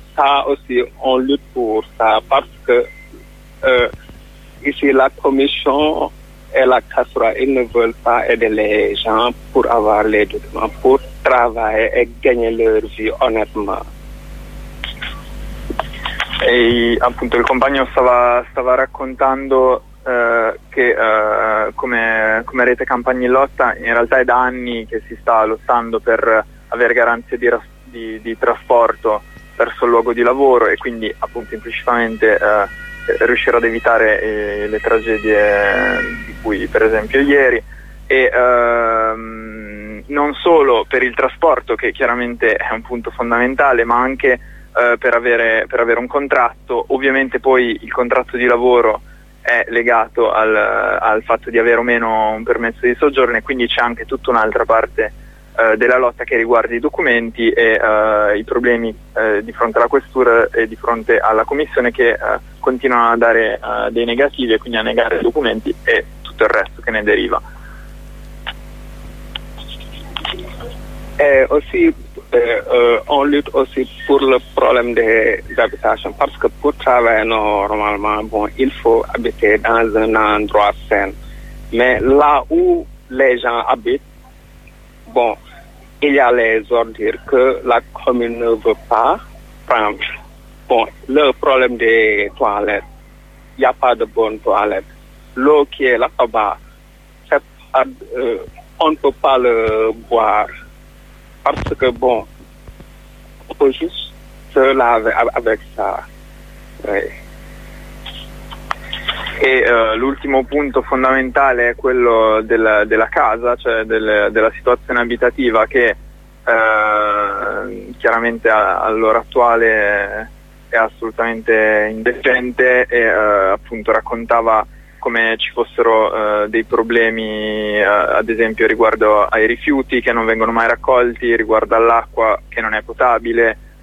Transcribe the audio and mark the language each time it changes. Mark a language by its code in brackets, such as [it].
[fr] Ça aussi, on lutte pour ça, parce que ici, la commission et la CASRA, ils ne veulent pas aider les gens pour avoir les documents, pour travailler et gagner leur vie honnêtement. [it] E appunto il compagno stava raccontando che come rete Campagna in Lotta in realtà è da anni che si sta lottando per avere garanzie di trasporto verso il luogo di lavoro e quindi appunto implicitamente riuscire ad evitare le tragedie di cui per esempio ieri e non solo per il trasporto che chiaramente è un punto fondamentale ma anche per avere un contratto. Ovviamente poi il contratto di lavoro è legato al fatto di avere o meno un permesso di soggiorno e quindi c'è anche tutta un'altra parte della lotta che riguarda i documenti e i problemi di fronte alla questura e di fronte alla commissione che continuano a dare dei negativi e quindi a negare i documenti e tutto il resto che ne deriva. [fr] Aussi on lutte aussi pour le problème des habitations parce que pour travailler normalement bon il faut habiter dans un endroit sain mais là où les gens habitent bon il y a les ordures que la commune ne veut pas prendre. Bon, le problème des toilettes, il n'y a pas de bonnes toilettes, l'eau qui est là-bas on ne peut pas le boire. Parce que bon, on peut juste se laver avec ça. Ouais. [it] Et l'ultimo punto fondamentale è quello della casa, cioè della situazione abitativa che chiaramente all'ora attuale è assolutamente indecente e appunto raccontava come ci fossero dei problemi ad esempio riguardo ai rifiuti che non vengono mai raccolti, riguardo all'acqua che non è potabile,